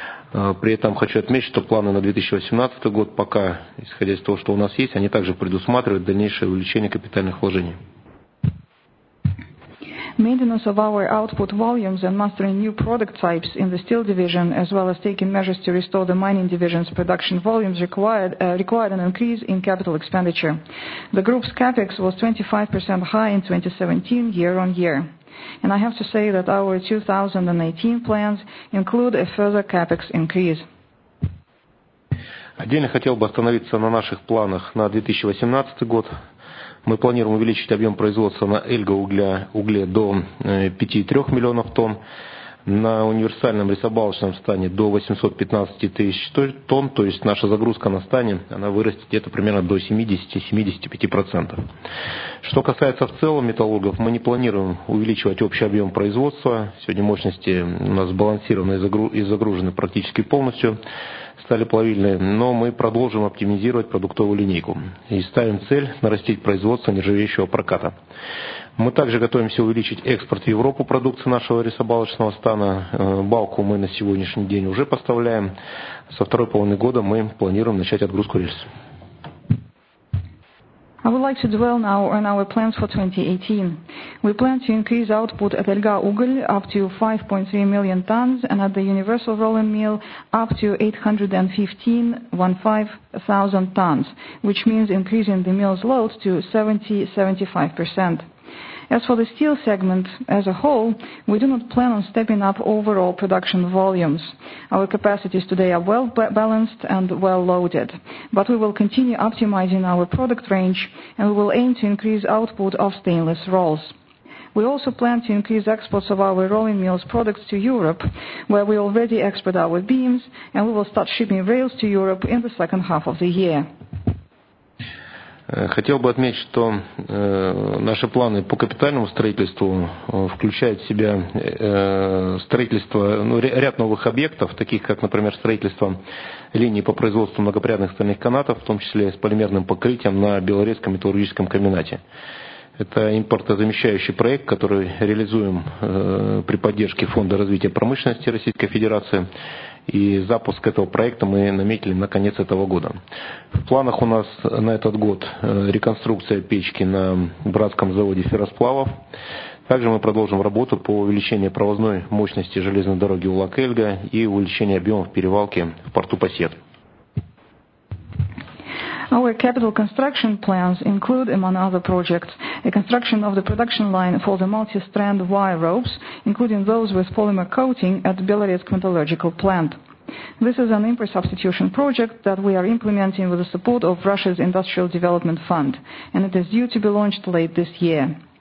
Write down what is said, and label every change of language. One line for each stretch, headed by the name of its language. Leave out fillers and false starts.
Russian: При этом хочу отметить, что планы на 2018 год пока, исходя из того, что у нас есть, они также предусматривают дальнейшее увеличение капитальных вложений.
English: Maintenance of our output volumes and mastering new product types in the steel division, as well as taking measures to restore the mining division's production volumes, required an increase in capital expenditure. The group's capex was 25% high in 2017 year on year. And I have to say that our 2018 plans include a further capex increase.
Russian: Отдельно хотел бы остановиться на наших планах на 2018 год. Мы планируем увеличить объем производства на эльго-угле до 5,3 миллионов тонн, на универсальном рисобалочном стане до 815 тысяч тонн, то есть наша загрузка на стане она вырастет где-то примерно до 70-75%. Что касается в целом металлургов, мы не планируем увеличивать общий объем производства. Сегодня мощности у нас сбалансированы и загружены практически полностью. Стали плавильные, но мы продолжим оптимизировать продуктовую линейку и ставим цель нарастить производство нержавеющего проката. Мы также готовимся увеличить экспорт в Европу продукции нашего рисобалочного стана. Балку мы на сегодняшний день уже поставляем. Со второй половины года мы планируем начать отгрузку рельс.
English: I would like to dwell now on our plans for 2018. We plan to increase output at Elga Ugl up to 5.3 million tons and at the Universal Rolling Mill up to 815,000 tons, which means increasing the mill's load to 70-75%. As for the steel segment as a whole, we do not plan on stepping up overall production volumes. Our capacities today are well balanced and well loaded, but we will continue optimizing our product range and we will aim to increase output of stainless rolls. We also plan to increase exports of our rolling mills products to Europe, where we already export our beams, and we will start shipping rails to Europe in the second half of the year.
Russian: Хотел бы отметить, что наши планы по капитальному строительству включают в себя строительство ряд новых объектов, таких как, например, строительство линии по производству многопрядных стальных канатов, в том числе с полимерным покрытием на Белорецком металлургическом комбинате. Это импортозамещающий проект, который реализуем при поддержке Фонда развития промышленности Российской Федерации. И запуск этого проекта мы наметили на конец этого года. В планах у нас на этот год реконструкция печки на братском заводе ферросплавов. Также мы продолжим работу по увеличению провозной мощности железной дороги Улак-Эльга и увеличению объемов перевалки в порту Пасет.
English: Our capital construction plans include, among other projects, a construction of the production line for the multi-strand wire ropes, including those with polymer coating at Belarus Metallurgical Plant. This is an import substitution project that we are implementing with the support of Russia's Industrial Development Fund, and it is due to be launched late this year.